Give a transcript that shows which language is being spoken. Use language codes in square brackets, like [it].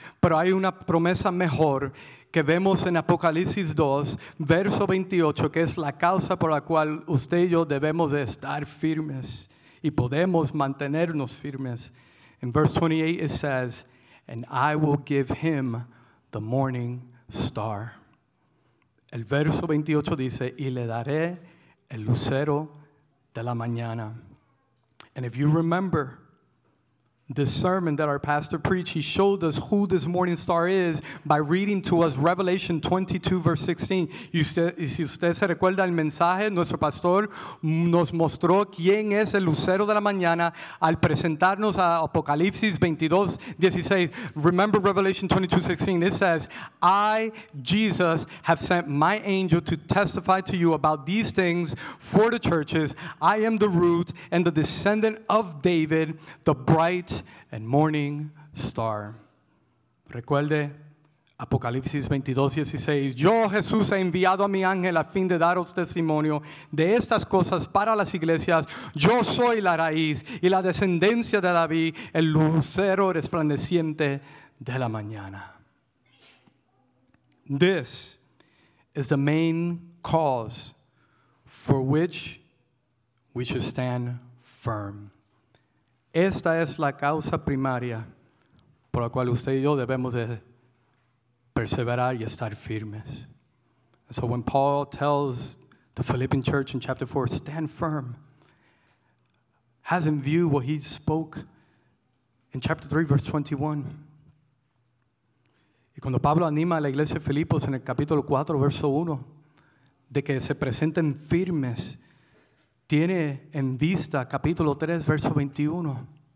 [es] Pero hay una promesa mejor que vemos en Apocalipsis 2, verso 28, que es la causa por la cual usted y yo debemos de estar firmes y podemos mantenernos firmes. [en] In verse 28, it says, and I will give him the morning star. [es] El verso 28 dice, y le daré el lucero de la mañana. [en] And if you remember this sermon that our pastor preached, he showed us who this morning star is by reading to us Revelation 22, verse 16. [es] Y si usted se recuerda el mensaje, nuestro pastor nos mostró quién es el lucero de la mañana al presentarnos a Apocalipsis 22, 16. [en] Remember Revelation 22, 16. It says, I, Jesus, have sent my angel to testify to you about these things for the churches. I am the root and the descendant of David, the bright and morning star. [es] Recuerde Apocalipsis 22:16. Yo, Jesús, he enviado a mi ángel a fin de daros testimonio de estas cosas para las iglesias. Yo soy la raíz y la descendencia de David, el lucero resplandeciente de la mañana. [en] This is the main cause for which we should stand firm. [es] Esta es la causa primaria por la cual usted y yo debemos de perseverar y estar firmes. [en] So when Paul tells the Philippian church in chapter 4, stand firm, has in view what he spoke in chapter 3, verse 21. [es] Y cuando Pablo anima a la iglesia de Filipos en el capítulo 4, verso 1, de que se presenten firmes, tiene en vista capítulo 3, verso 21,